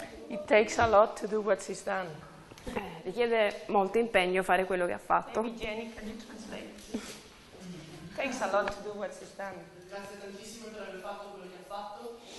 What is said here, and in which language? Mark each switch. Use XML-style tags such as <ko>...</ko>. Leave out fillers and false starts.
<en>It takes a lot to do what she's done.</en> <it>Richiede molto impegno fare quello che ha fatto.</it> <en>Maybe Jenny, can you translate? It takes a lot to do what she's done.</en> <it>Grazie tantissimo per aver fatto quello che ha fatto.</it>